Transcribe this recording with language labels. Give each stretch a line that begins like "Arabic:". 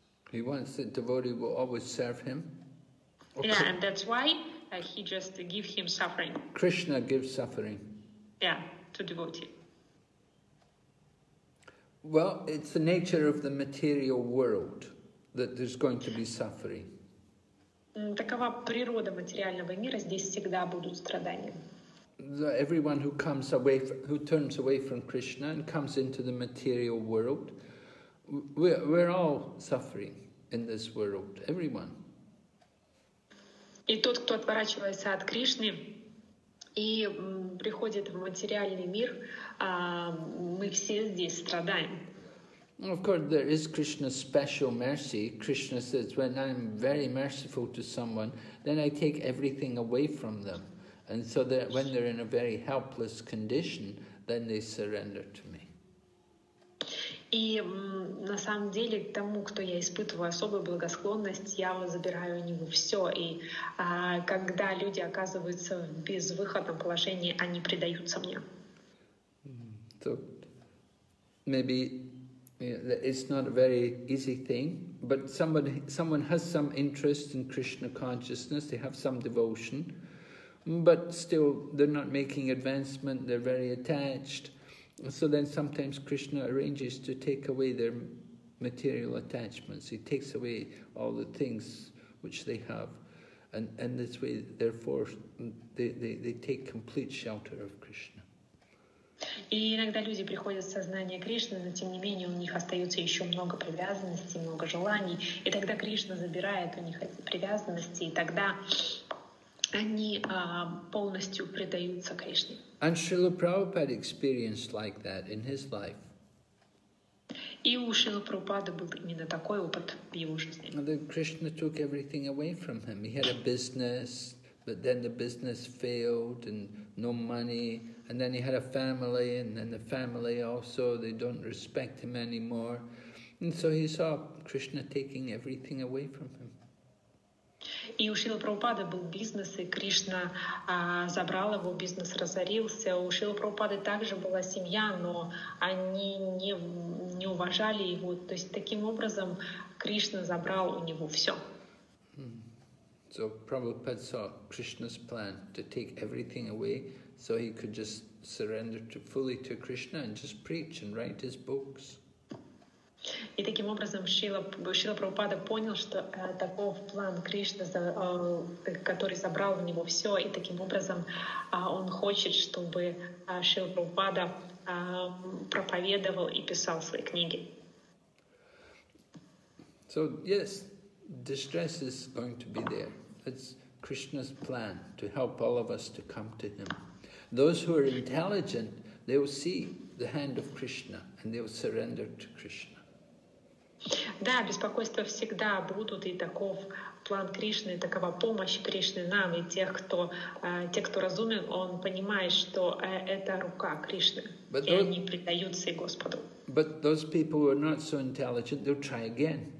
English: He wants the devotee will always serve him? Okay. Yeah, and that's why he just give him suffering. Krishna gives suffering. Yeah, to devotee. Well, it's the nature of the material world that there's going to be suffering.
Russian: Такова природа материального мира, здесь всегда будут страдания.
English: So everyone who comes away, who turns away from Krishna and comes into the material world, we're all suffering in this world, everyone.
Russian: И тот, кто отворачивается от Кришны и приходит в материальный мир, мы все здесь страдаем.
English: Of course, there is Krishna's special mercy. Krishna says, when I'm very merciful to someone, then I take everything away from them. And so that when they're in a very helpless condition, then they surrender to me.
Russian: И на самом деле к тому, кто я испытываю особую благосклонность, я забираю у него все. И когда люди оказываются в безвыходном положении, они предаются мне.
English: So, maybe it's not a very easy thing, but someone has some interest in Krishna consciousness, they have some devotion, but still they're not making advancement, they're very attached. So then sometimes Krishna arranges to take away their material attachments. He takes away all the things which they have. And this way, therefore, they take complete shelter of Krishna.
Russian: И иногда люди приходят в сознание Кришны, но тем не менее у них остается еще много привязанностей, много желаний. И тогда Кришна забирает у них эти привязанности, и тогда они полностью предаются Кришне.
English: And Srila Prabhupada experienced like that in his life.
Russian: И у Шрилы Прабхупады был именно такой опыт в его жизни.
English: Then Krishna took everything away from him. He had a business, but then the business failed and no money. And then he had a family, and then the family also, they don't respect him anymore. And so he saw Krishna taking everything away from him.
Russian: И у Шрилы Прабхупады был бизнес, и Кришна забрал его, бизнес разорился. У Шрилы Прабхупады также была семья, но они не уважали его. То есть таким образом Кришна забрал у него все.
English: So Prabhupada saw Krishna's plan to take everything away so he could just surrender fully to Krishna and just preach and write his books.
Russian: И таким образом Шрила Прабхупада понял, что таков план Кришны, который забрал у него все, и таким образом он хочет, чтобы Шрила Прабхупада проповедовал и писал свои книги.
English: So yes, distress is going to be there. It's Krishna's plan to help all of us to come to Him. Those who are intelligent, they will see the hand of Krishna and they will surrender to Krishna.
Russian: Да, беспокойства всегда будут, и таков план Кришны, такова помощь Кришны нам, и те, кто разумен, он понимает, что это рука Кришны,
English: but
Russian: и
English: those,
Russian: они предаются Господу.
English: But those people who are not so intelligent, they'll try again.